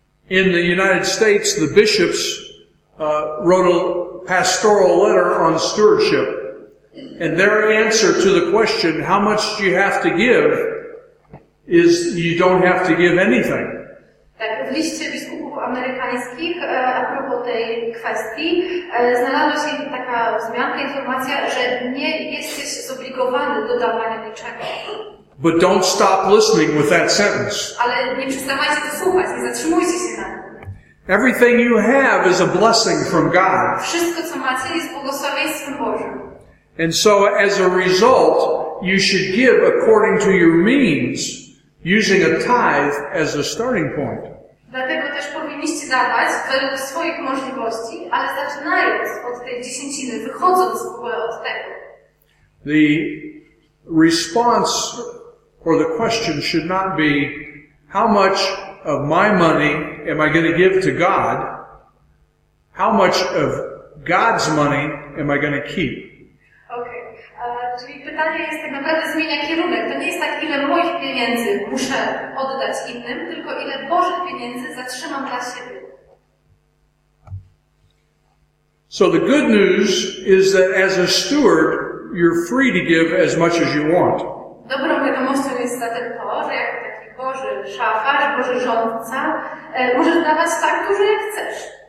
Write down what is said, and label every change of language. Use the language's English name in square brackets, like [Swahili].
[English] In the United States, the bishops wrote a pastoral letter on stewardship, and their answer to the question, how much do you have to give, is you don't have to give anything. [Polish] Tak, w liście biskupów amerykańskich a propos tej kwestii znalazła się taka wzmianka, informacja, że nie jesteś zobligowany do dawania niczego. [English] But don't stop listening with that sentence. [Polish] Ale nie przestawajcie to słuchać, nie zatrzymujcie się na tym. [English] Everything you have is a blessing from God. [Polish] Wszystko, co macie, jest błogosławieństwem Bożym. [English] And so as a result, you should give according to your means, using a tithe as a starting point. [Polish] Dlatego też powinniście dawać według swoich możliwości, ale zaczynając od tej dziesięciny, wychodząc w ogóle od tego. [English] The response or the question should not be, how much of my money am I going to give to God? How much of God's money am I going to keep? Okay. [Polish] Czyli pytanie jest tak naprawdę zmienia kierunek. To nie jest tak, ile moich pieniędzy muszę oddać innym, tylko ile Bożych pieniędzy zatrzymam dla siebie. [English] So the good news is that as a steward, you're free to give as much as you want. [Polish] Dobrą wiadomością jest zatem to, że jako taki Boży szafarz, Boży rządca, możesz dawać tak dużo, jak chcesz.